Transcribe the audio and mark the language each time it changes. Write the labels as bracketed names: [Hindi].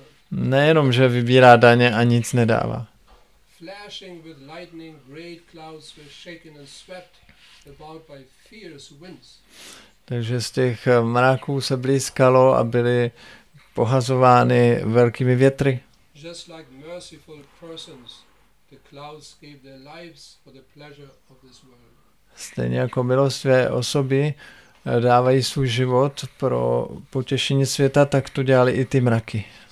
[Czech] Nejenom, že vybírá daně a nic nedává. [English] Flashing with lightning, great clouds were shaken and swept about by fierce winds. [Czech] Takže z těch mraků se blízkalo a byly pohazovány velkými větry. [English] Just like merciful persons, the clouds gave their lives for the pleasure of this world. [Czech] Stejně jako milostivé osoby dávají svůj život pro potěšení světa, tak to dělali i ty mraky.